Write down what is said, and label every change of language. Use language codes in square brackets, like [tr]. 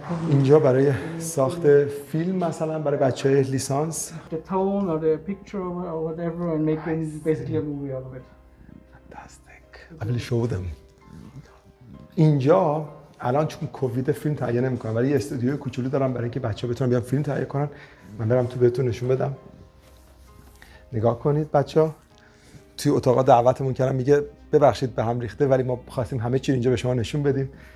[fa] اینجا برای ساخت فیلم مثلا برای بچه‌های لیسانس. [en] The tone or the picture or whatever and make basically a movie out of it. Fantastic. I will show them. [fa] اینجا الان چون کووید فیلم تهیه نمی‌کنم ولی یه استودیوی کوچولو دارم برای اینکه بچه‌ها بتونن بیان فیلم تهیه کنن. من برم تو بهتون نشون بدم. نگاه کنید بچه‌ها. توی اتاق دعوتمون کردم میگه ببخشید به هم ریخته ولی ما خواستیم همه چی اینجا به شما نشون بدیم.